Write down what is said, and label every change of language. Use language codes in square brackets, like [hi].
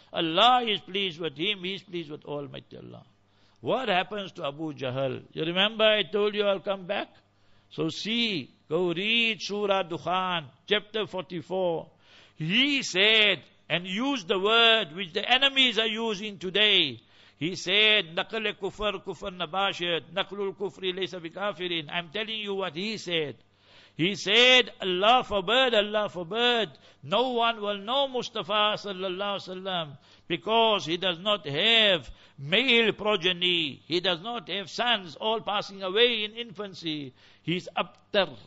[en] Allah is pleased with him. He is pleased with Almighty Allah. What happens to Abu Jahl? You remember I told you I'll come back? So see, go read Surah Dukhan, chapter 44. He said and used the word which the enemies are using today. He said, [fa] نقل كفر كفر نباشد [ar] نقل الكفر ليس بكافرين. [en] I'm telling you what he said. He said, Allah forbid, Allah forbid. No one will know Mustafa sallallahu alaihi wasallam because he does not have male progeny. He does not have sons all passing away in infancy. He's abtar.